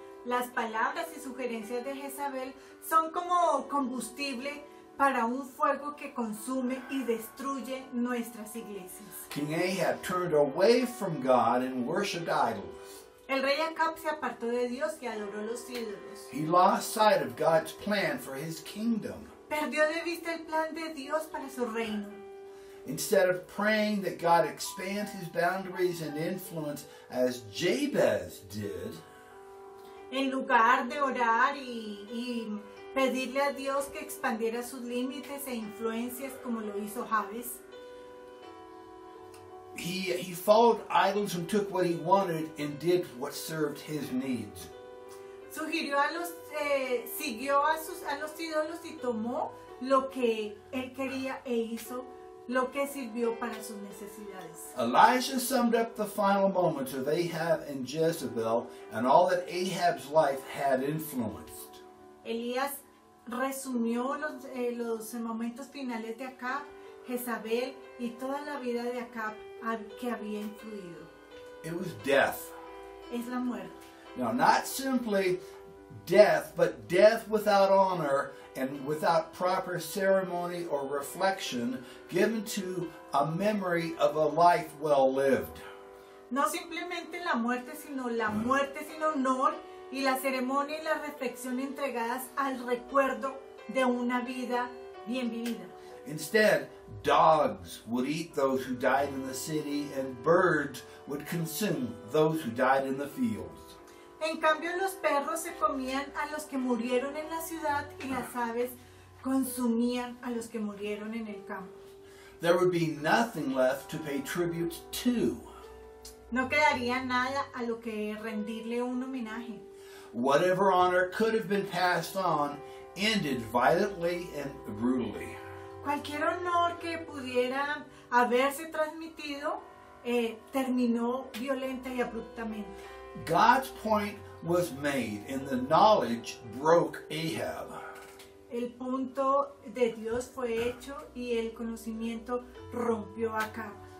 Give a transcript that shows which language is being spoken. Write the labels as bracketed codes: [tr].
[es] Las palabras y sugerencias de Jezabel son como combustible para un fuego que consume y destruye nuestras iglesias. [en] King Ahab turned away from God and worshipped idols. [es] El rey Acab se apartó de Dios y adoró los ídolos. [en] He lost sight of God's plan for his kingdom. [es] Perdió de vista el plan de Dios para su reino. [en] Instead of praying that God expand his boundaries and influence as Jabez did, [es] en lugar de orar y pedirle a Dios que expandiera sus límites e influencias como lo hizo Jabez, [en] He followed idols and took what he wanted and did what served his needs. [es] Siguió a los ídolos y tomó lo que él quería e hizo lo que sirvió para sus necesidades. [en] Elijah summed up the final moments of Ahab and Jezebel and all that Ahab's life had influenced. [es] Elías resumió los momentos finales de Acab, Jezabel y toda la vida de Acab que había influido. [en] It was death. [es] Es la muerte. [en] Now, not simply death, but death without honor and without proper ceremony or reflection given to a memory of a life well lived. [es] No simplemente la muerte, sino la muerte sin honor y la ceremonia y la reflexión entregadas al recuerdo de una vida bien vivida. [en] Instead, dogs would eat those who died in the city and birds would consume those who died in the fields. [es] En cambio, los perros se comían a los que murieron en la ciudad y las aves consumían a los que murieron en el campo. [en] There would be nothing left to pay tribute to. [es] No quedaría nada a lo que rendirle un homenaje. [en] Whatever honor could have been passed on ended violently and brutally. [es] Cualquier honor que pudiera haberse transmitido terminó violenta y abruptamente. [en] God's point was made, and the knowledge broke Ahab. [es] El punto de Dios fue hecho, y el conocimiento rompió Acab.